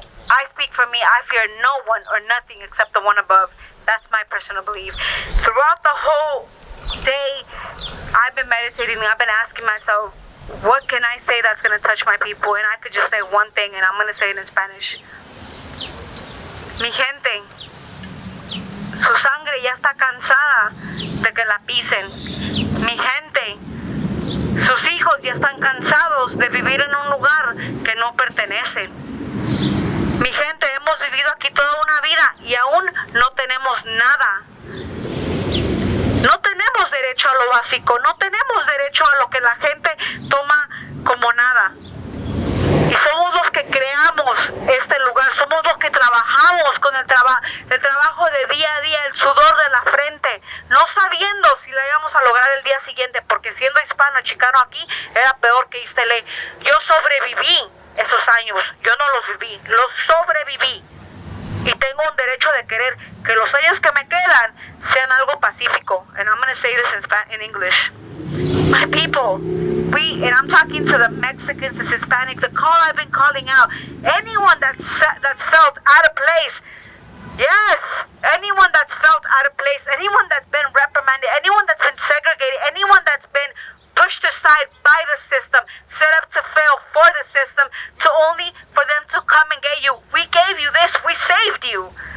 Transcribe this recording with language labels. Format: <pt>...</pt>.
<en>I speak for me. I fear no one or nothing except the one above. That's my personal belief. Throughout the whole day, I've been meditating. I've been asking myself, what can I say that's going to touch my people? And I could just say one thing, and I'm going to say it in Spanish.</en> <es>Mi gente, su sangre ya está cansada de que la pisen. Mi gente, sus hijos ya están cansados de vivir en un lugar que no pertenecen. Mi gente, hemos vivido aquí toda una vida y aún no tenemos nada. No tenemos derecho a lo básico, no tenemos derecho a lo que la gente toma como nada. Y somos los que creamos este lugar, somos los que trabajamos con el trabajo de día a día, el sudor de la frente, no sabiendo si la íbamos a lograr el día siguiente, porque siendo hispano, chicano aquí, era peor que East LA. Yo sobreviví esos años, yo no los viví, los sobreviví. Y tengo un derecho de querer que los años que me quedan sean algo pacífico.</es> <en>And I'm going to say this in English. My people, and I'm talking to the Mexicans, the Hispanics, the call I've been calling out. Anyone that's felt out of place. Yes, anyone that's felt out of place, anyone that's been reprimanded, anyone that's been segregated, anyone that's been pushed aside by the system, set up to fail for the system, to only for them to come and get you. We gave you this. We saved you.</en>